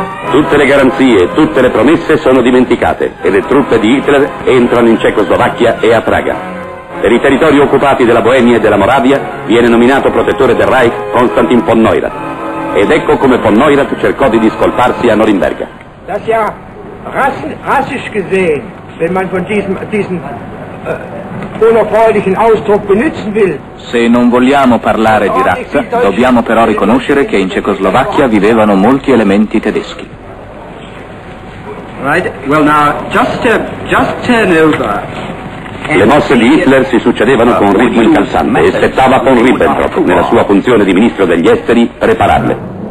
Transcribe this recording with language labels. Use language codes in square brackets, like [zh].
[it] Tutte le garanzie, tutte le promesse sono dimenticate e le truppe di Hitler entrano in Cecoslovacchia e a Praga. Per i territori occupati della Boemia e della Moravia viene nominato protettore del Reich Konstantin von Neurath. Ed ecco come von Neurath cercò di discolparsi a Norimberga. [de] Das ja rassisch gesehen, wenn man von diesem unerfreulichen Ausdruck benutzen will. [it] Se non vogliamo parlare di razza, dobbiamo però riconoscere che in Cecoslovacchia vivevano molti elementi tedeschi. [en] Right. Well now, just turn over. [it] Le mosse di Hitler si succedevano con ritmo incalzante e aspettava von Ribbentrop, nella sua funzione di ministro degli esteri, prepararle.